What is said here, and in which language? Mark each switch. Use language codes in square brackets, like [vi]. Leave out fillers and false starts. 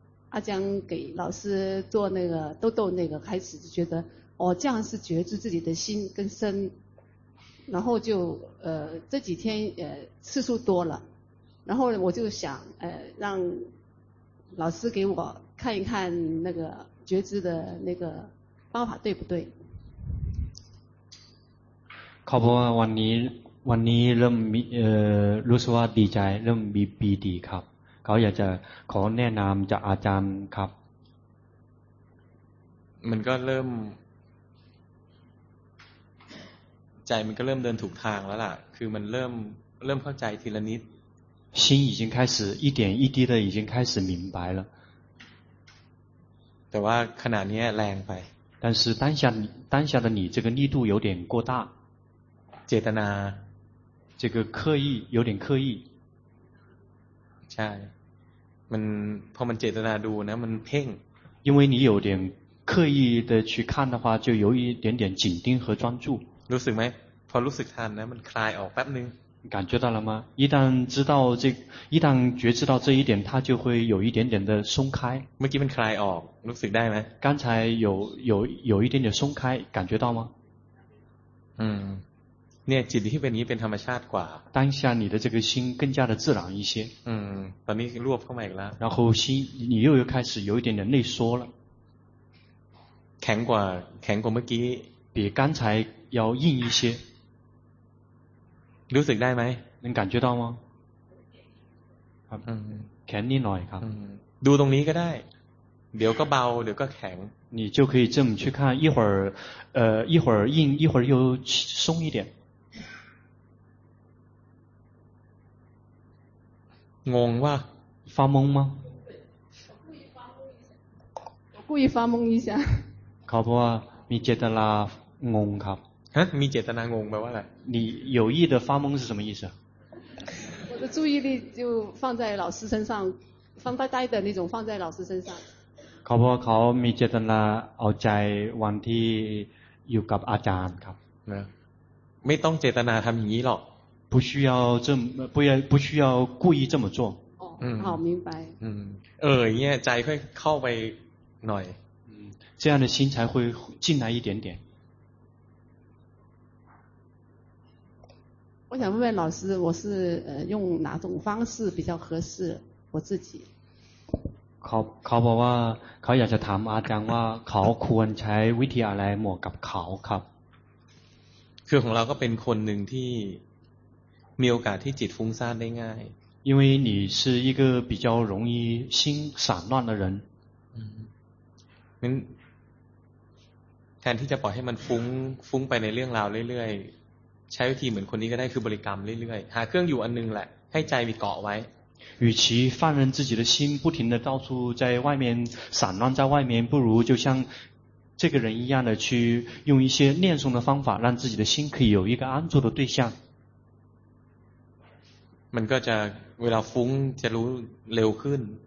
[zh] 阿江给老师做那个豆豆那个开始就觉得哦这样是觉知自己的心跟身然后就这几天次数多了然后我就想让老师给我看一看那个觉知的那个方法对不对 [th] ขอบคุณวันนี้เริ่มรู้สึกว่าดีใจเริ่มมีปีดีครับเขาอยากจะขอแนะนำจากอาจารย์ครับ มันก็เริ่มใจมันก็เริ่มเดินถูกทางแล้วล่ะคือมันเริ่มเข้าใจทีละนิด [zh] 心已经开始一点一滴的已经开始明白了 [th] แต่ว่าขนาดนี้แรงไป [zh] 但是当下的你这个力度有点过大 [th] เจตนา [zh] 这个刻意有点刻意 [th] ใช่มันพอมันเจตนาดูนะมันเพ่ง [zh] 因为你有点刻意的去看的话就有一点点紧盯和专注 [th] รู้สึกไหมพอรู้สึกทันนะมันคลายออกแป๊บนึง [zh] 感觉到了吗一旦知道这一旦觉知到这一点它就会有一点点的松开 [th] เมื่อกี้มันคลายออกรู้สึกได้ไหม [zh] 刚才有一点点松开感觉到吗 [th] เนี่ยจิตที่เป็นนี้เป็นธรรมชาติกว่า [zh] 当下你的这个心更加的自然一些 [th] ตอนนี้รวบเข้ามาอีกแล้ว [zh] 然后心你又开始有一点点内缩了 [th] แข็งกว่าเมื่อกี้ [zh] 比刚才要硬一些 [th] รู้สึกได้ไหม [zh] 能感觉到吗 [th] ครับ แข็งนิดหน่อยครับ ดูตรงนี้ก็ได้เดี๋ยวก็เบาเดี๋ยวก็แข็ง [zh] 你就可以这么去看一会儿一会儿硬一会儿又松一点 [th] งงว่า [zh] 发懵吗我故意发懵一下 [th] ครับว่ามีเจตนางงครับ ฮะมีเจตนางงแปลว่าอะไร [zh] 你有意的发懵是什么意思我的注意力就放在老师身上放呆呆的那种放在老师身上 [th] ครับว่าเขามีเจตนาเอาใจวันที่อยู่กับอาจารย์ครับ ไม่ต้องเจตนาทำอย่างนี้หรอก [zh] 不需要这么不需要故意这么做。哦，好，明白。 [th] 嗯，เออ，เนี่ย，ใจ会เข้าไปหน่อย。 [zh] 这样的心才会进来一点点。我想问问老师，我是用哪种方式比较合适我自己？ [th] เขาบอกว่าเขาอยากจะถามอาจารย์ว่าเขาควรใช้วิธีอะไรเหมาะกับเขาครับ คือของเราก็เป็นคนหนึ่งที่มีโอกาสที่จิตฟุ้งซ่านได้ง่าย [zh] 因为你是一个比较容易心散乱的人 [th] งั้นแทนที่จะปล่อยให้มันฟุ้งไปในเรื่องราวเรื่อยๆใช้วิธีเหมือนคนนี้ก็ได้คือบริกรรมเรื่อยๆหาเครื่องอยู่อันนึงแหละให้ใจมีเกาะไว้ [zh] 与其放任自己的心不停地到处在外面散乱在外面不如就像这个人一样的去用一些念诵的方法让自己的心可以有一个安住的对象 [th] มันก็จะเวลาฟุ้งจะรู้เร็วขึ้น